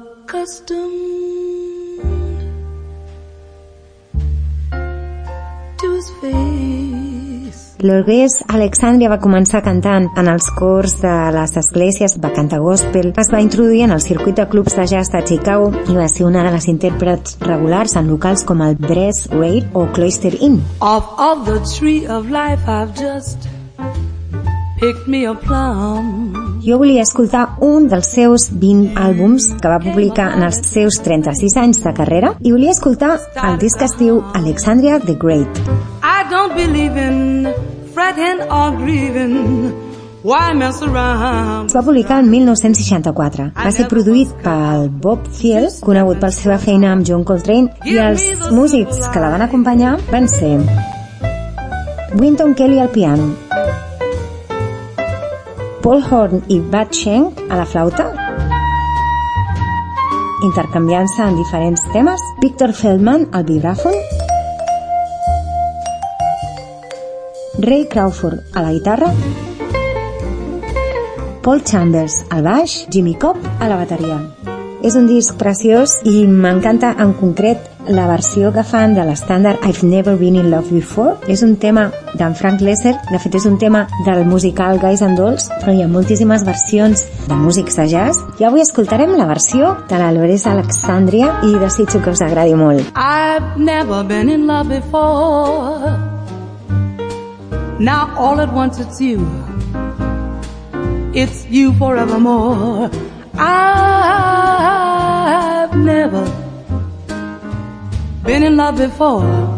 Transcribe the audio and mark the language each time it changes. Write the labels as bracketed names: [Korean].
[English] Accustomed to his face, [Catalan] L'orgués Alexandria va començar cantant en els cors de les esglésies, va cantar gospel, es va introduir en el circuit de clubs de jazz de Chicago i va ser una de les intèrprets regulars en locals com el Brass Rail o Cloister Inn. [English] Of the tree of life I've just picked me a plum. [Catalan] Jo volia escoltar un dels seus 20 àlbums que va publicar en els seus 36 anys de carrera i volia escoltar el disc que es diu Alexandria the Great. [English] I don't believe in fretting or grieving. Why mess around? [Catalan] Es va publicar en 1964. Va ser produït pel Bob Thiele, conegut per la seva feina amb John Coltrane, i els músics que la van acompanyar van ser Wynton Kelly al piano, Paul Horn i Bud Schenk a la flauta, intercanviant-se en diferents temes, Victor Feldman al vibràfon, Ray Crawford a la guitarra, Paul Chambers al baix, Jimmy Cobb a la bateria. És un disc preciós i m'encanta en concret la versió que fan de l'estàndard I've Never Been In Love Before. És un tema d'en Frank Lesser, de fet és un tema del musical Guys and Dolls, però hi ha moltíssimes versions de músics de jazz. I avui escoltarem la versió de la Lores Alexandria i desitjo que us agradi molt. [English] I've never been in love before. Now all at once it's you. It's you forevermore. I've never been in love before.